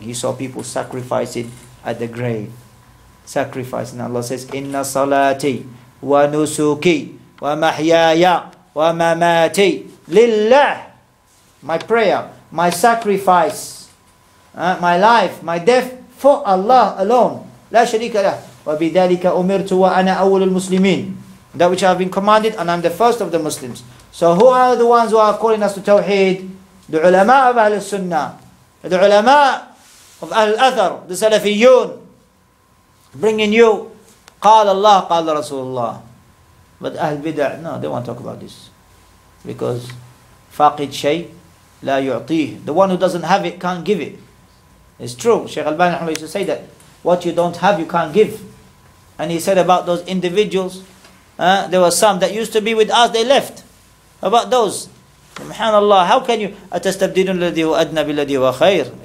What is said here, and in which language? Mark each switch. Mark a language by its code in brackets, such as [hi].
[en] He saw people sacrificing at the grave. Sacrificing. Allah says, [ar] Inna salati wa nusuki wa mahyaya wa mamati lillah. [en] My prayer, my sacrifice, my life, my death for Allah alone. [ar] لا شريك له وبذلك أمرت وأنا أول المسلمين. [en] That which I have been commanded and I'm the first of the Muslims. So who are the ones who are calling us to Tawheed? The ulama of Ahl al-Sunnah, the ulama of Ahl al-Athar, the Salafiyun, bringing you [ar] قال الله قال رسول الله. [en] But Ahl al-Bid'ah, no, they won't talk about this, because [ar] فاقد شيء لا يعطيه. [en] The one who doesn't have it can't give it. It's true. Shaykh Al-Bani used to say that what you don't have, you can't give. And he said about those individuals, there were some that used to be with us, they left. About those, subhanallah, how can you, [ar] أَتَسْتَبْدِلُ الَّذِي هُوَ أَدْنَى بِالَّذِي هُوَ خَيْرٌ.